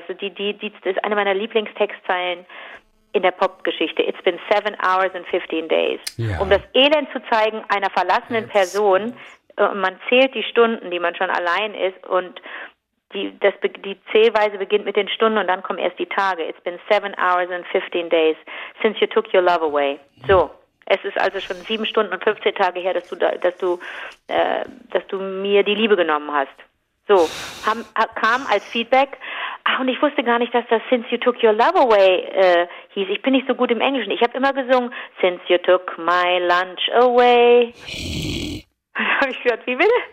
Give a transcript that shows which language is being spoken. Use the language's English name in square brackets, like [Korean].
[German] Das ist, die ist eine meiner Lieblingstextzeilen in der Popgeschichte. [English] It's been 7 hours and 15 days. [German] Ja. Um das Elend zu zeigen einer verlassenen Person, man zählt die Stunden, die man schon allein ist und die Zählweise beginnt mit den Stunden und dann kommen erst die Tage. [English] It's been 7 hours and 15 days since you took your love away. [German] So, es ist also schon 7 Stunden und 15 Tage her, dass du mir die Liebe genommen hast. So, kam als Feedback, und ich wusste gar nicht, dass das [English] Since You Took Your Love Away [German] hieß. Ich bin nicht so gut im Englischen. Ich habe immer gesungen, [English] Since You Took My Lunch Away. [German] Habe ich gehört, wie bitte?